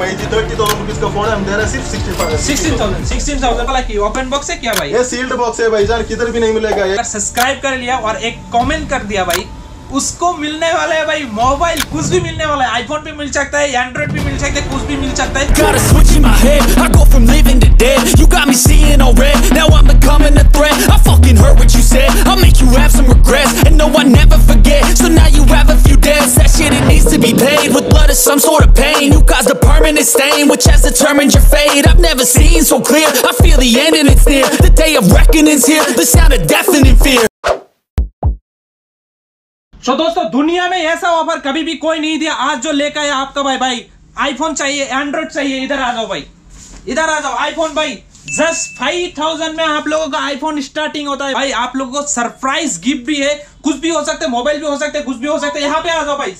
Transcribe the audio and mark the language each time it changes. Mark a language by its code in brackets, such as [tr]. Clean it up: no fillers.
[hi] 5G 30000 rupees का phone है। हम दे रहे हैं सिर्फ 16000 वाला की। ओपन बॉक्स है क्या भाई? ये सील्ड बॉक्स है भाई। किधर भी नहीं मिलेगा। अगर सब्सक्राइब कर लिया और एक कॉमेंट कर दिया भाई उसको मिलने वाला है भाई मोबाइल। कुछ भी मिलने वाला है। आईफोन भी मिल सकता है, एंड्रॉइड भी मिल सकता है, कुछ भी मिल सकता है। [en] Got a switch in my head, I go from living to dead. You got me seeing all red, now I'm becoming a threat. I fucking heard what you said, I'll make you have some regrets. And no, I never forget, so now you have a few debts. That shit, it needs to be paid with blood or some sort of pain. You caused a permanent stain, which has determined your fate. I've never seen so clear, I feel the end and it's near. The day of reckoning's here, the sound of deafening fear. [hi] तो दोस्तों दुनिया में ऐसा offer कभी भी कोई नहीं दिया। आज जो लेकर आया आपका भाई, भाई आईफोन चाहिए, एंड्रॉइड चाहिए, इधर आ जाओ भाई, इधर आ जाओ। आईफोन भाई जस्ट 5000 में आप लोगों का आईफोन स्टार्टिंग होता है भाई। आप लोगों को सरप्राइज गिफ्ट भी है, कुछ भी हो सकता है, मोबाइल भी हो सकता है, कुछ भी हो सकता है। यहाँ पे आ जाओ भाई।